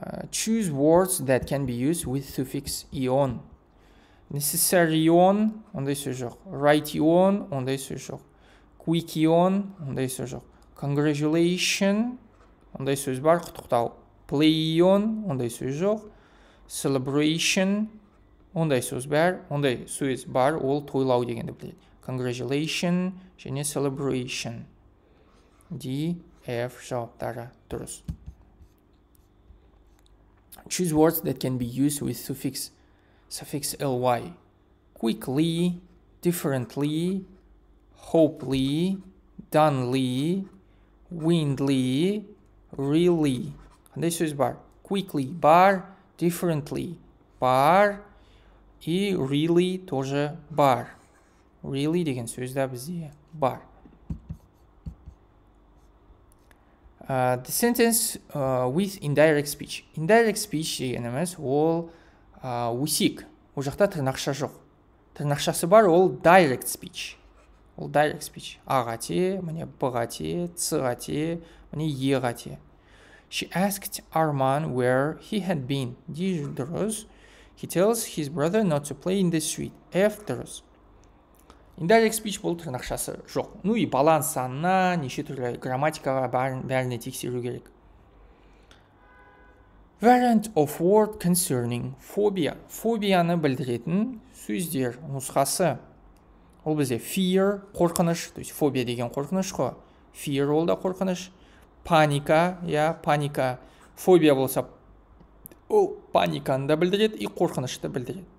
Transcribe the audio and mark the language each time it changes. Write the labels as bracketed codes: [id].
[en] Choose words that can be used with suffix ion. [kk] Necessary ion, ондай сөз жоқ. Right ion, ондай сөз жоқ. Quick ion, ондай сөз жоқ. Congratulation, ондай сөз бар, құттықтау. Play ion, ондай сөз жоқ. Celebration, ондай сөз бар, ондай сөз бар, ол тойлау дегенді білдіреді. Congratulation және celebration. D, F жауаптары дұрыс. [en] Choose words that can be used with suffix ly. Quickly, differently, hopefully, donely, windly, really. [kk] Ондай сөз бар. Quickly бар, differently бар. И really тоже бар. Really деген сөз да бізде бар. [en] The sentence with indirect speech. [kk] Indirect speech дегеніміз ол өсек. Ол жақта тырнақша жоқ. Тырнақшасы бар ол direct speech. Ол direct speech. Ағате, мене бұғате, цығате, мене еғате. [en] She asked Arman where he had been. [kk] Дейді дұрыс. [en] He tells his brother not to play in the street. [kk] F дұрыс. Indirect speech бұл тырнақшасы жоқ. [ru] Ну и [kk] баланс санына, неше түрлі грамматикаға бәріне тексеру керек. [en] Variant of word concerning phobia. [kk] Фобияны білдіретін сөздер, нұсқасы. Ол бізде fear, қорқыныш. [ru] То есть [kk] фобия деген қорқыныш қо. Fear ол да қорқыныш. Паника, паника. Фобия болса ол паниканы да білдіреді, и қорқынышты білдіреді.